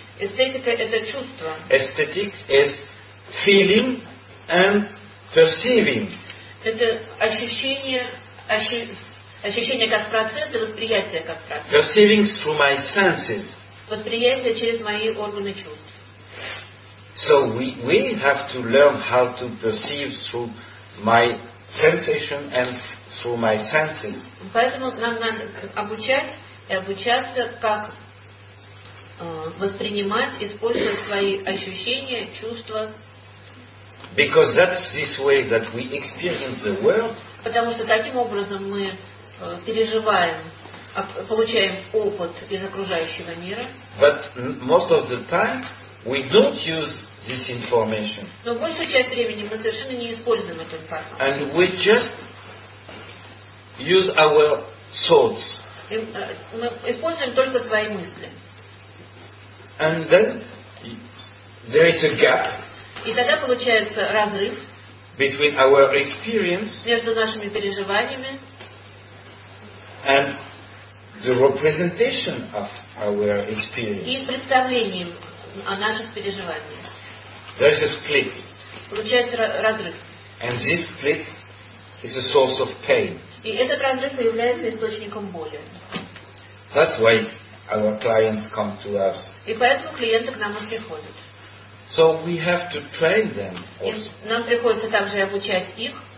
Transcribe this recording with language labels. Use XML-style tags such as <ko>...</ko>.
<ru>Эстетика – это чувство.</ru> <en>Aesthetics is feeling and perceiving.</en> <ru>Это ощущение как процесс и восприятие как процесс.</ru> <en>Perceiving through my senses.</en> <ru>Восприятие через мои органы чувств.</ru> <en>So we have to learn how to perceive through my sensation and through my senses.</en> <ru>Поэтому нам надо обучать и обучаться, как воспринимать, использовать свои ощущения, чувства.</ru> <en>Because that's this way that we experience the world.</en> <ru>Потому что таким образом мы переживаем, получаем опыт из окружающего мира.</ru> <en>But most of the time we don't use this information.</en> <ru>Но большую часть времени мы совершенно не используем эту информацию.</ru> <en>And we just use our thoughts.</en> <ru>Мы используем только свои мысли.</ru> <en>And then there is a gap.</en> <ru>И тогда получается разрыв</ru> <en>between our experience</en> <ru>между нашими переживаниями</ru> <en>and the representation of our experience.</en> <ru>И представлением о наших переживаниях.</ru> <en>There is a split.</en> <ru>Получается разрыв.</ru> <en>And this split is a source of pain.</en> <ru>И этот разрыв является источником боли.</ru> <en>That's why our clients come to us.</en> <ru>И поэтому клиенты к нам и приходят.</ru> <en>So we have to train them.</en> <ru>И нам приходится также обучать их.</ru>